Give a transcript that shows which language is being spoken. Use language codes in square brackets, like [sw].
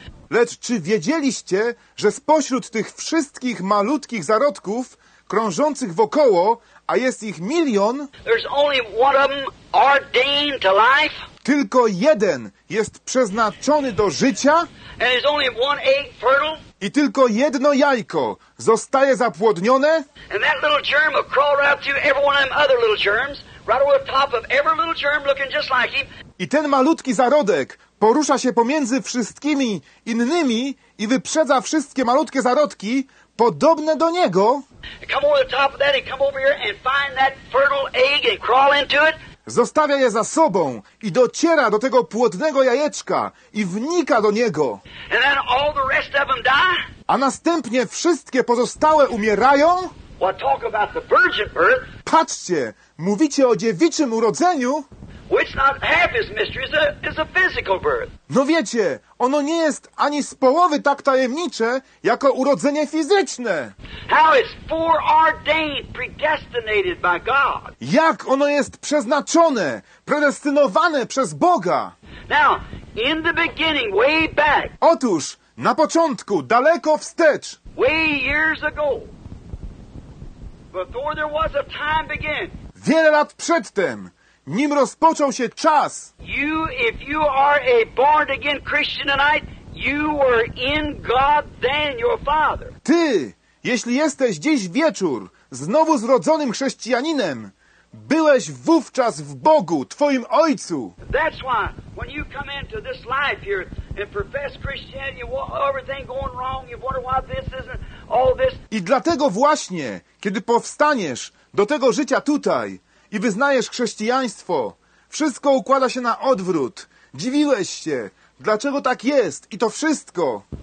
[pl] Lecz czy wiedzieliście, że spośród tych wszystkich malutkich zarodków krążących wokoło, a jest ich milion, [en] there's only one of them ordained to life? [pl] Tylko jeden jest przeznaczony do życia? [en] And there's only one egg fertile? [pl] I tylko jedno jajko zostaje zapłodnione? [en] And that little germ will crawl right through every one of them other little germs. Right over the top of every little germ looking just like him. [pl] I ten malutki zarodek porusza się pomiędzy wszystkimi innymi i wyprzedza wszystkie malutkie zarodki podobne do niego. [en] Come over the top of that and come over here and find that fertile egg and crawl into it. [pl] Zostawia je za sobą i dociera do tego płodnego jajeczka i wnika do niego. [en] And then all the rest of them die. [pl] A następnie wszystkie pozostałe umierają. [en] Well, talk about the virgin birth. [pl] Patrzcie, mówicie o dziewiczym urodzeniu. [en] which not half as mystery as a physical birth. [pl] No wiecie, ono nie jest ani z połowy tak tajemnicze, jako urodzenie fizyczne. [en] How it's foreordained, predestinated by God. [pl] Jak ono jest przeznaczone, predestynowane przez Boga. [en] Now, in the beginning, way back. [pl] Otóż, na początku, daleko wstecz. [en] Way years ago. Before there was a time begin. [pl] Wiele lat przedtem, nim rozpoczął się czas. [en] You, if you are a born again Christian tonight, you were in God then, your father. [pl] Ty, jeśli jesteś dziś wieczór znowu zrodzonym chrześcijaninem, byłeś wówczas w Bogu, twoim ojcu. [en] That's why when you come into this life here and profess Christianity, everything going wrong, you wonder why this isn't all this. [pl] I dlatego właśnie, kiedy powstaniesz do tego życia tutaj i wyznajesz chrześcijaństwo, wszystko układa się na odwrót. Dziwiłeś się, dlaczego tak jest i to wszystko.